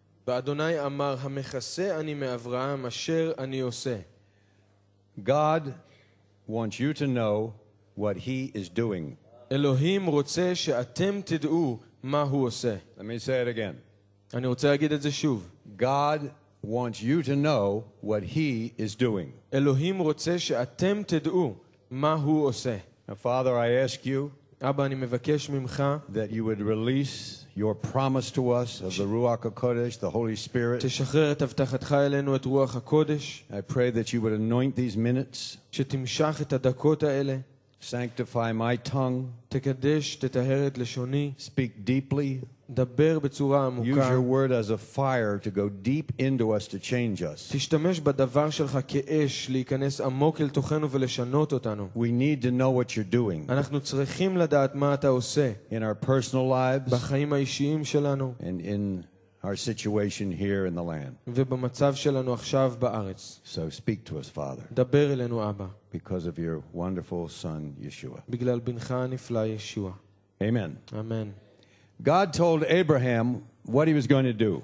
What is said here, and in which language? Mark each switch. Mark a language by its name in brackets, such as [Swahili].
[English] God wants you to know what He is doing. Let me say it again. [Hebrew] אני רוצה להגיד את זה שוב. [English] God wants you to know what He is doing. [Hebrew] אלוהים רוצה שאתם תדעו מה הוא עושה. [English] Now, Father, I ask you, [Hebrew] אבא, אני מבקש ממך, [English] that you would release your promise to us of the Ruach HaKodesh, the Holy Spirit. [Hebrew] תשחרר את הבטחתך אלינו את רוח הקודש. [English] I pray that you would anoint these minutes. [Hebrew] שתמשך את הדקות האלה. [English] Sanctify my tongue. [Hebrew] תקדש, תטהר את לשוני. [English] Speak deeply. [Hebrew] דבר בצורה עמוקה. [English] Use your word as a fire to go deep into us to change us. [Hebrew] תשתמש בדבר שלך כאש להיכנס עמוק אל תוכנו ולשנות אותנו. [English] We need to know what you're doing. [Hebrew] אנחנו צריכים לדעת מה אתה עושה. [English] In our personal lives. [Hebrew] בחיים האישיים שלנו. [English] And in our situation here in the land. [Hebrew] ובמצב שלנו עכשיו בארץ. [English] So speak to us, Father. [Hebrew] דבר אלינו, אבא. [English] Because of your wonderful Son, Yeshua. [Hebrew] בגלל בנך הנפלא, ישוע. [English] Amen. Amen. God told Abraham what he was going to do.